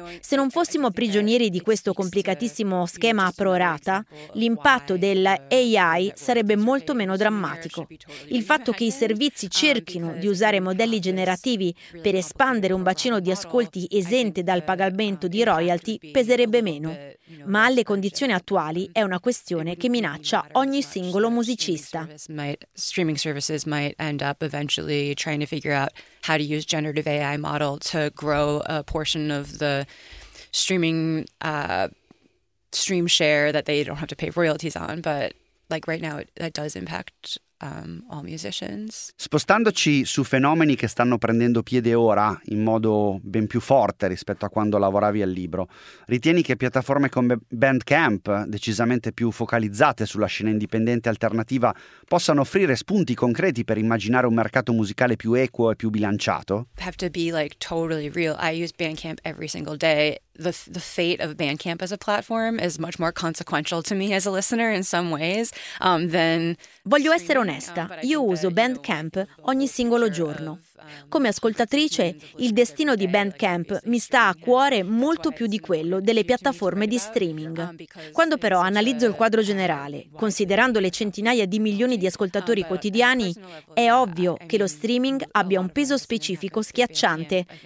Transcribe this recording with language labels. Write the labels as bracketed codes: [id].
[it] Se non fossimo prigionieri di questo complicatissimo schema a prorata, l'impatto dell'AI sarebbe molto meno drammatico. Il fatto che i servizi cerchino di usare modelli generativi per espandere un bacino di ascolti esente dal pagamento di royalty peserebbe meno. Ma alle condizioni attuali è una questione che minaccia ogni singolo musicista. [en] Streaming services might end up eventually trying to figure out how to use generative AI model to grow a portion of the streaming stream share that they don't have to pay royalties on, but like right now it does impact all musicians. [it] Spostandoci su fenomeni che stanno prendendo piede ora in modo ben più forte rispetto a quando lavoravi al libro, ritieni che piattaforme come Bandcamp, decisamente più focalizzate sulla scena indipendente alternativa, possano offrire spunti concreti per immaginare un mercato musicale più equo e più bilanciato? [en] Have to be like totally real. I use Bandcamp every single day. The fate of Bandcamp as a platform is much more consequential to me as a listener in some ways than. [it] Voglio essere onesta, io uso Bandcamp ogni singolo giorno. Come ascoltatrice, il destino di Bandcamp mi sta a cuore molto più di quello delle piattaforme di streaming. Quando però analizzo il quadro generale, considerando le centinaia di milioni di ascoltatori quotidiani, è ovvio che lo streaming abbia un peso specifico schiacciante.